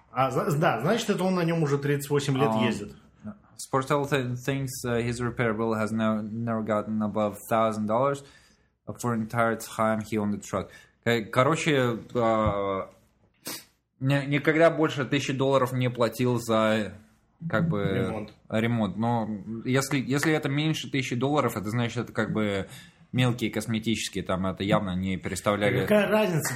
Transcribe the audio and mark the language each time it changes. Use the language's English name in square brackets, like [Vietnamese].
[Russian] Да, значит, это он на нем уже 38 лет ездит. [English] Sportel thinks his repair bill has never gotten above $1,000 for entire time he owned the truck. [Russian] Короче, никогда больше $1,000 не платил за, как бы, ремонт. Но если это меньше $1,000, это значит, это как бы мелкие косметические, там это явно не переставляли. Какая разница?